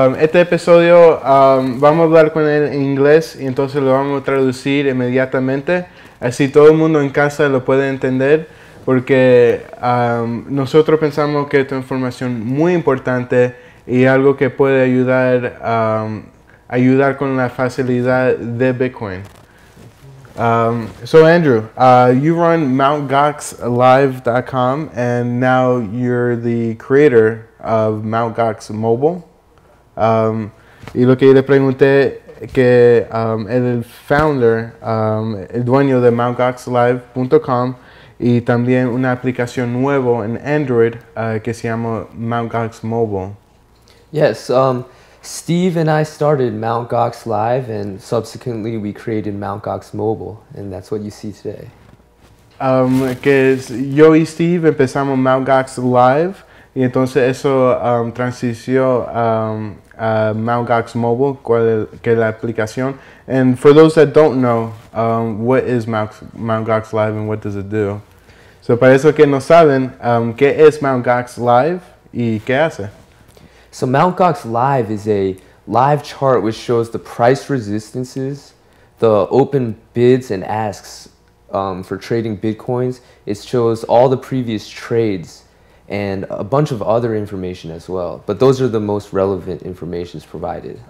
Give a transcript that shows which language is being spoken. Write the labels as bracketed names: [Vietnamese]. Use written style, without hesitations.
[Spanish] Este episodio vamos a hablar con él en inglés y entonces lo vamos a traducir inmediatamente. Así todo el mundo en casa lo puede entender. Porque nosotros pensamos que esta información es muy importante y algo que puede ayudar, ayudar con la facilidad de Bitcoin. [English] So Andrew, you run MountGoxLive.com and now you're the creator of MountGox Mobile. [Spanish] Y lo que yo le pregunté que el founder, el dueño de MountGoxLive.com y también una aplicación nuevo en Android que se llama MountGox Mobile. [English] Yes, Steve and I started MountGox Live and subsequently we created MountGox Mobile and that's what you see today. [Spanish] Que es, yo y Steve empezamos MountGox Live y entonces eso transició a MountGox Mobile, que es la aplicación. [English] And for those that don't know, what is MountGox Live and what does it do? [Spanish] So, para eso que no saben, ¿qué es MountGox Live y qué hace? [English] So, MountGox Live is a live chart which shows the price resistances, the open bids and asks for trading bitcoins. It shows all the previous trades and a bunch of other information as well. But those are the most relevant information provided.